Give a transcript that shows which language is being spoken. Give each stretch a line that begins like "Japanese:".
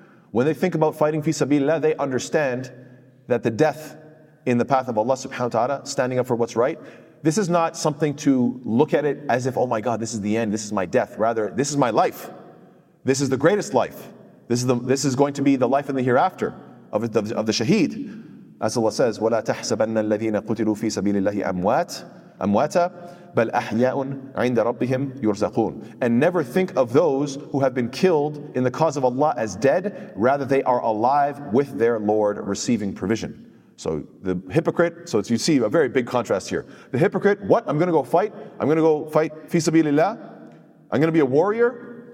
English: When they think about fighting fi sabilillah, they understand that the death in the path of Allah subhanahu wa ta'ala, standing up for what's right, this is not something to look at it as if, oh my God, this is the end, this is my death. Rather, this is my life. This is the greatest life. This is going to be the life in the hereafter of the shaheed. As Allah says,
Arabic: وَلَا تَحْسَبَنَّ الَّذِينَ قُتِلُوا فِي سَبِيلِ اللَّهِ أَمْوَاتًا بَلْ أَحْيَاءٌ عِنْدَ رَبِّهِمْ يُرْزَقُونَ.
English: And never think of those who have been killed in the cause of Allah as dead, rather they are alive with their Lord receiving provision. So the hypocrite, so it's, you see a very big contrast here. The hypocrite, what? I'm going to go fight. I'm going to go fight fi sabilillah. I'm going to be a warrior.